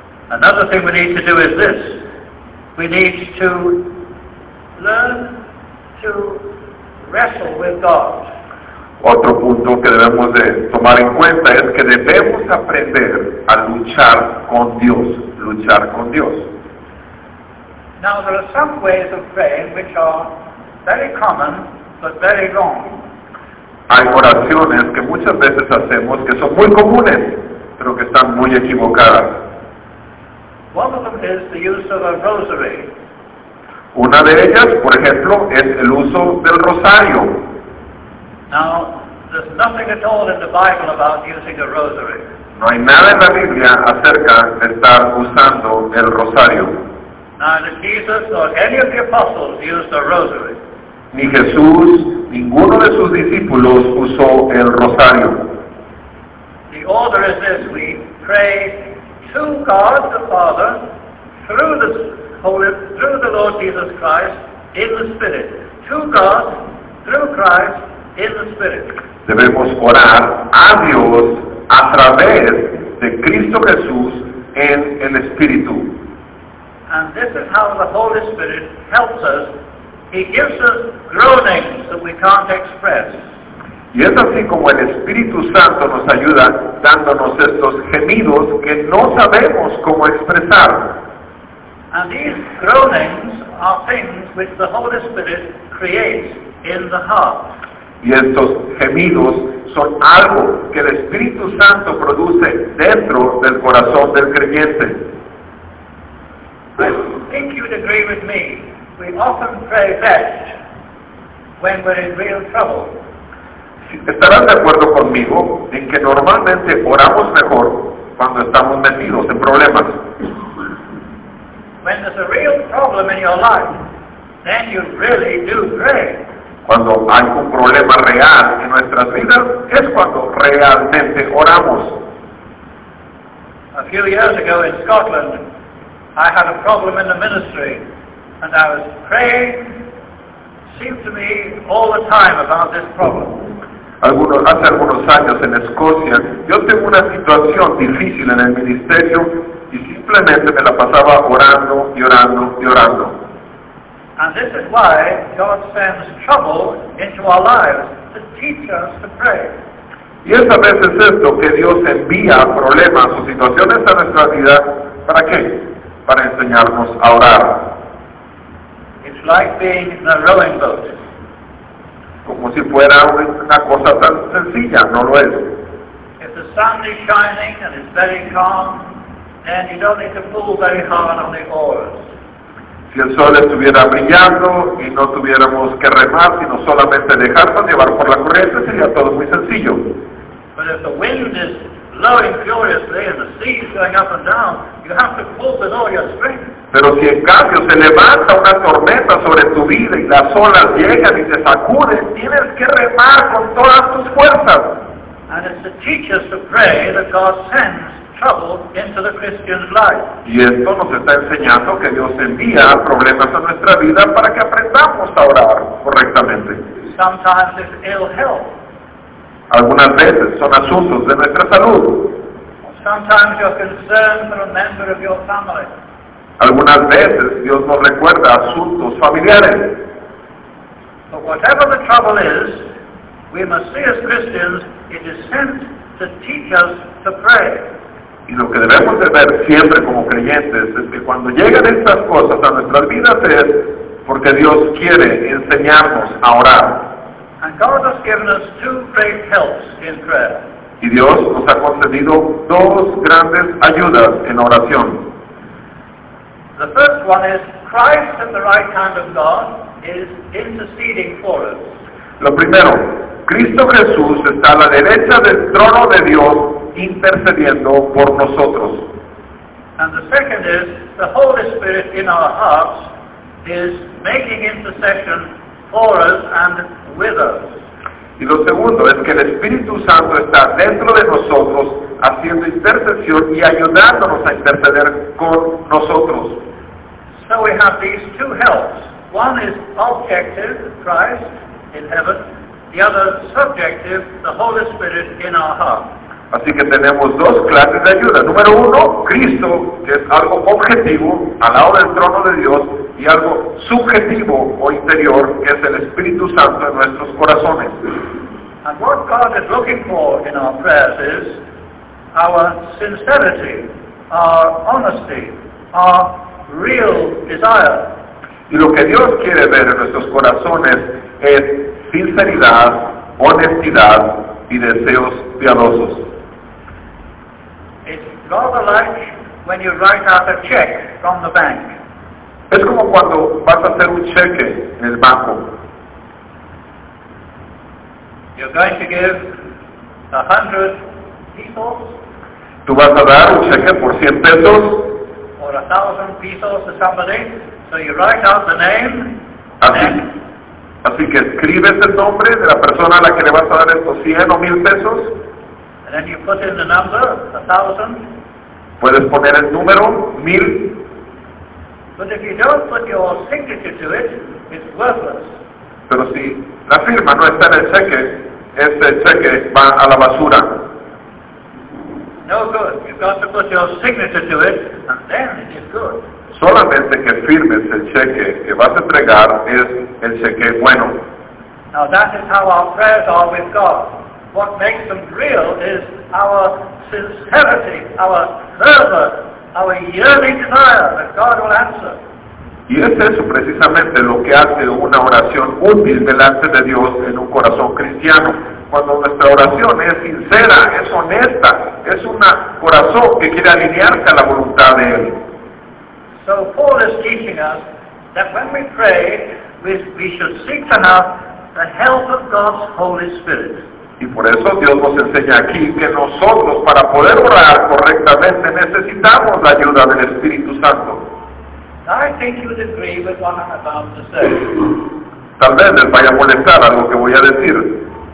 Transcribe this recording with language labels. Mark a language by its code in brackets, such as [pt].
[en] Another thing we need to do is this. We need to learn to wrestle with God. [es] Otro punto que debemos de tomar en cuenta es que debemos aprender a luchar con Dios. Luchar con Dios. [en] Now there are some ways of praying which are very common. But very wrong. [es] Hay oraciones que muchas veces hacemos que son muy comunes, pero que están muy equivocadas. [en] One of them is the use of a rosary. [es] Una de ellas, por ejemplo, es el uso del rosario. [en] Now, there's nothing at all in the Bible about using a rosary. [es] No hay nada en la Biblia acerca de estar usando el rosario. [en] Neither Jesus nor any of the apostles used a rosary. [es] Ni Jesús, ninguno de sus discípulos usó el rosario. [en] The order is this, we pray to God the Father through the Lord Jesus Christ in the Spirit. To God, through Christ, in the Spirit. [es] Debemos orar a Dios a través de Cristo Jesús en el Espíritu. [en] And this is how the Holy Spirit helps us. He gives us groanings that we can't express. [es] Y es así como el Espíritu Santo nos ayuda dándonos estos gemidos que no sabemos cómo expresar. [en] And these groanings are things which the Holy Spirit creates in the heart. [es] Y estos gemidos son algo que el Espíritu Santo produce dentro del corazón del creyente. [en] I think you'd agree with me. We often pray best when we're in real trouble. [es] ¿Estarás de acuerdo conmigo en que normalmente oramos mejor cuando estamos metidos en problemas? [en] When there's a real problem in your life, then you really do pray. [es] Cuando hay un problema real en nuestras vidas, es cuando realmente oramos. [en] A few years ago in Scotland, I had a problem in the ministry, and I was praying, seemed to me, all the time about this problem. [es] Hace algunos años en Escocia, yo tengo una situación difícil en el ministerio y simplemente me la pasaba orando y orando y orando. [en] And this is why God sends trouble into our lives to teach us to pray. [es] Y es a veces esto que Dios envía problemas o situaciones a nuestra vida, ¿para qué? Para enseñarnos a orar. [en] It's like being in a rowing boat. [es] Como si fuera una cosa tan sencilla, no lo es. [en] If the sun is shining and it's very calm, then you don't need to pull very hard on the oars. [es] Si el sol estuviera brillando y no tuviéramos que remar, sino solamente dejarnos llevar por la corriente, sería todo muy sencillo. [en] But if the wind is blowing furiously and the sea is going up and down, you have to pull with all your strength. [es] Pero si en cambio se levanta una tormenta sobre tu vida y las olas llegan y te sacuden, tienes que remar con todas tus fuerzas. [en] And it's the teachers to pray that God sends trouble into the Christian's life. [es] Y esto nos está enseñando que Dios envía problemas a nuestra vida para que aprendamos a orar correctamente. [en] Sometimes it's ill health. [es] Algunas veces son asuntos de nuestra salud. [en] Sometimes you're concerned for a member of your family. [es] Algunas veces Dios nos recuerda asuntos familiares. [en] But whatever the trouble is, we must see as Christians, it is sent to teach us to pray. [es] Y lo que debemos de ver siempre como creyentes es que cuando llegan estas cosas a nuestras vidas es porque Dios quiere enseñarnos a orar. [en] And God has given us two great helps in prayer. [es] Y Dios nos ha concedido dos grandes ayudas en oración. [en] The first one is Christ at the right hand of God is interceding for us. [es] Lo primero, Cristo Jesús está a la derecha del trono de Dios intercediendo por nosotros. [en] And the second is the Holy Spirit in our hearts is making intercession for us and with us. [es] Y lo segundo es que el Espíritu Santo está dentro de nosotros haciendo intercesión y ayudándonos a interceder con nosotros. [en] So we have these two helps. One is objective, Christ in heaven. The other subjective, the Holy Spirit in our heart. [es] Así que tenemos dos clases de ayuda. Número uno, Cristo, que es algo objetivo al lado del trono de Dios, y algo subjetivo o interior, que es el Espíritu Santo en nuestros corazones. [en] And what God is looking for in our prayers is our sincerity, our honesty, our real desire. [es] Y lo que Dios quiere ver en nuestros corazones es sinceridad, honestidad y deseos piadosos. [en] It's rather like when you write out a check from the bank. [es] Es como cuando vas a hacer un cheque en el banco. [en] You're going to give 100 pesos. [es] Tú vas a dar un cheque por 100 pesos. [en] Or 1,000 pesos to somebody. So you write out the name. [es] Así que escribes el nombre de la persona a la que le vas a dar estos 100 o 1,000 pesos. [en] And then you put in the number, 1,000. [es] Puedes poner el número, 1,000. [en] But if you don't put your signature to it, it's worthless. [es] Pero si la firma no está en el cheque, este cheque va a la basura. [en] No good. You've got to put your signature to it, and then it is good. [es] Solamente que firmes el cheque que vas a entregar es el cheque bueno. [en] Now that is how our prayers are with God. What makes them real is our sincerity, our fervor, our yearning desire that God will answer. [es] Y es eso precisamente lo que hace una oración útil delante de Dios en un corazón cristiano. Cuando nuestra oración es sincera, es honesta, es un corazón que quiere alinearse a la voluntad de Él. [en] So Paul is teaching us that when we pray, we should seek to have the help of God's Holy Spirit. [es] Y por eso Dios nos enseña aquí que nosotros, para poder orar correctamente, necesitamos la ayuda del Espíritu Santo. [en] I think you would agree with what I'm about to say. [es] Tal vez les vaya a molestar algo que voy a decir.